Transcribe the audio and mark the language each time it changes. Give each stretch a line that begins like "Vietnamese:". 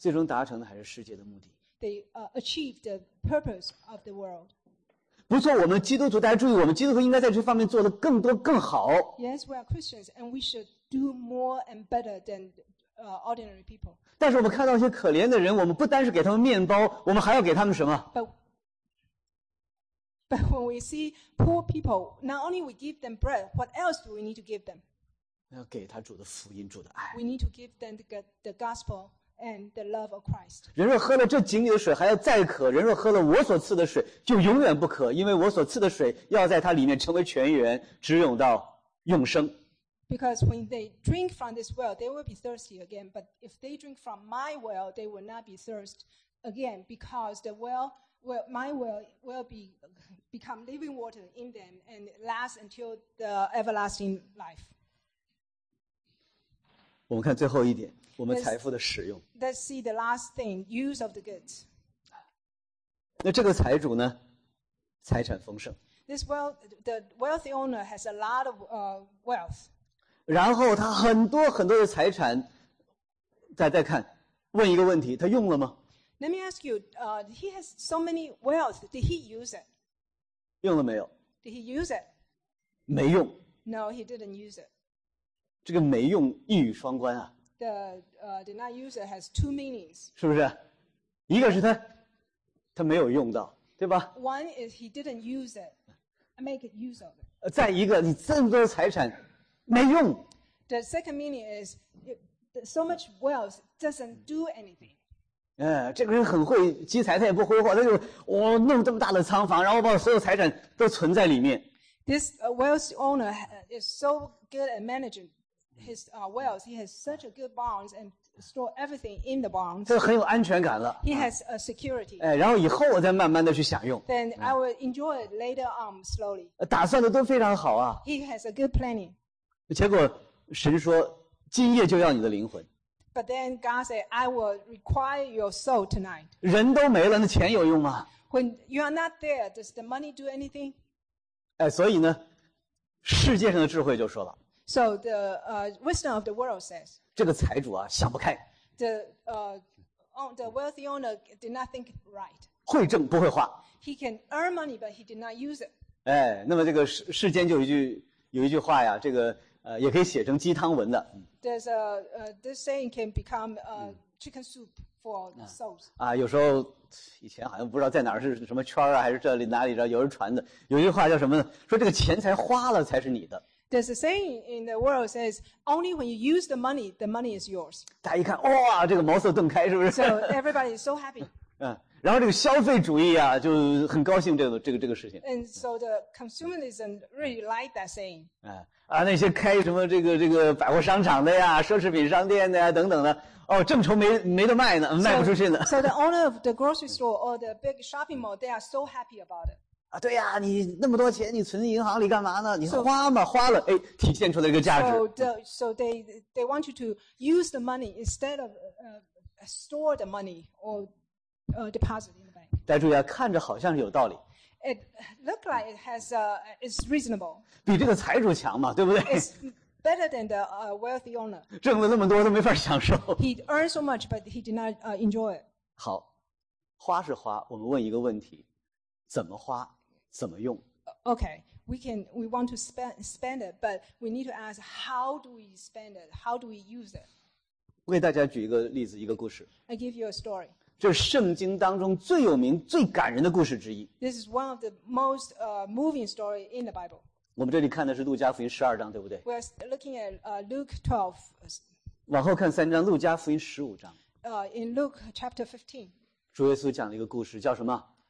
Chinese: 最终达成的还是世界的目的。
English: They achieve the purpose of the world.
Chinese: 不错，我们基督徒，大家注意，我们基督徒应该在这方面做得更多更好。
English: Yes, we are Christians, and we should do more and better than ordinary people.
Chinese: 但是我们看到一些可怜的人，我们不单是给他们面包，我们还要给他们什么？
English: But when we see poor people, not only we give them bread, what else do we need to give them?
Chinese: 要给他主的福音，主的爱。
English: We need to give them the gospel and the love of Christ.
Chinese: 人若喝了这井里的水，还要再渴；人若喝了我所赐的水，就永远不渴，因为我所赐的水要在他里面成为泉源，直涌到永生。
English: Because when they drink from this well, they will be thirsty again. But if they drink from my well, they will not be thirst again, because the well. Well, my will become living water in them and last until the everlasting life.
Chinese: 我们看最后一点，我们财富的使用。
English: Let's see the last thing, use of the goods.
Chinese: 那这个财主呢，财产丰盛。
English: This the wealthy owner has a lot of wealth.
Chinese: 然后他很多很多的财产，再看，问一个问题，他用了吗？
English: Let me ask you, he has so many wealth, did he use it?
Chinese: 用了没有?
English: Did he use it?
Chinese: 没用。
English: No, he didn't use it.
Chinese: 这个没用一语双关啊。
English: The did not use it has two meanings.
Chinese: 是不是？一个是他没有用到，对吧
English: ？One is he didn't use it, make use of it.
Chinese: 再一个，你这么多财产没用。
English: The second meaning is so much wealth doesn't do anything.
Chinese: 这个人很会积财，他也不挥霍，他就我弄这么大的仓房，然后把所有财产都存在里面。
English: This wealth owner is so good at managing his wealth. He has such a good barns and store everything in the barns.
Chinese: 他很有安全感了。
English: He has a security.
Chinese: 然后以后我再慢慢的去享用。
English: Then I will enjoy it later on slowly.
Chinese: 打算的都非常好啊。
English: He has a good planning.
Chinese: 结果神说，今夜就要你的灵魂。
English: But then God said, I will require your soul tonight.
Chinese: 人都没了，那钱有用吗
English: ？When you are not there, does the money do anything?
Chinese: 所以呢，世界上的智慧就说了。
English: So the wisdom of the world says.
Chinese: 这个财主啊，想不开。
English: The wealthy owner did not think right.
Chinese: 会挣不会花。
English: He can earn money, but he did not use it.
Chinese: 那么这个世间就有一句话呀，这个也可以写成鸡汤文的。
English: There's a this saying can become a chicken soup for souls.
Chinese: 有时候以前好像不知道在哪儿是什么圈啊，还是这里哪里着，有人传的。有一句话叫什么呢？说这个钱财花了才是你的。
English: There's a saying in the world says only when you use the money is yours.
Chinese: 大家一看，哇，这个茅塞顿开，是不是
English: ？So everybody is so happy.
Chinese: 然后这个消费主义啊，就很高兴这个事情。
English: And so the consumerism really like that saying.
Chinese: 那些开什么这个百货商场的呀，奢侈品商店的呀等等的，哦，正愁没得卖呢，卖不出去呢。
English: So the owner of the grocery store or the big shopping mall, they are so happy about it.
Chinese: 对呀，你那么多钱你存银行里干嘛呢？你花嘛，花了，哎，体现出来一个价值。
English: So they want you to use the money instead of store the money or deposit in the bank.
Chinese: 大家注意啊，看着好像是有道理。
English: It look like it has is reasonable.
Chinese: 比这个财主强嘛，对不对
English: ？It's better than the wealthy owner.
Chinese: 挣了那么多都没法享受。
English: He earned so much, but he did not enjoy it.
Chinese: 好，花是花，我们问一个问题：怎么花？怎么用
English: ？Okay, we want to spend it, but we need to ask how do we spend it? How do we use it?
Chinese: 我给大家举一个例子，一个故事。
English: I give you a story.
Chinese: 这是圣经当中最有名、最感人的故事之一。
English: This is one of the most moving story in the Bible.
Chinese: 我们这里看的是路加福音十二章，对不对
English: ？We're looking at Luke 12.
Chinese: 往后看三章，路加福音十五章。
English: In Luke chapter 15.
Chinese: 主耶稣讲了一个故事，叫什么？